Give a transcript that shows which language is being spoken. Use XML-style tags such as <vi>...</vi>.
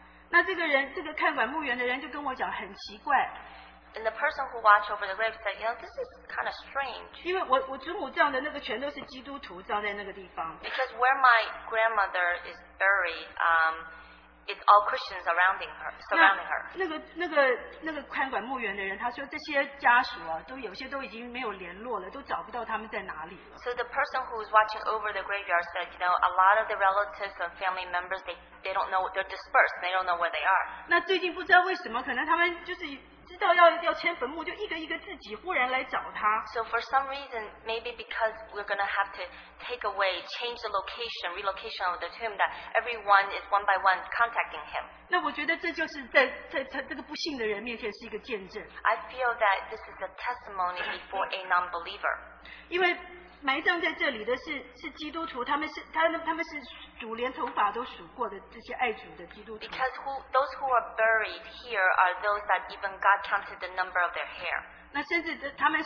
<zh>那这个人，这个看管墓园的人就跟我讲，很奇怪。</zh> <en>And the person who watched over the grave said, you know, this is kind of strange. Because where my grandmother is buried, it's all Christians surrounding her. So the person who is watching over the graveyard said, you know, a lot of the relatives and family members, they don't know, they're dispersed, they don't know where they are.</en> <zh>那最近不知道为什么，可能他们就是 知道要迁坟墓，就一个一个自己忽然来找他。</zh> <en>So for some reason, maybe because we're going to have to take away, change the location, relocation of the tomb, that everyone is one by one contacting him.</en> <zh>那我觉得这就是在这个不幸的人面前是一个见证。</zh> <en>I feel that this is a testimony before a non-believer.</en> <zh>因为埋葬在这里的是基督徒，他们是主连头发都数过的这些爱主的基督徒。</zh> <en>Because those who are buried here are those that even God counted the number of their hair.</en>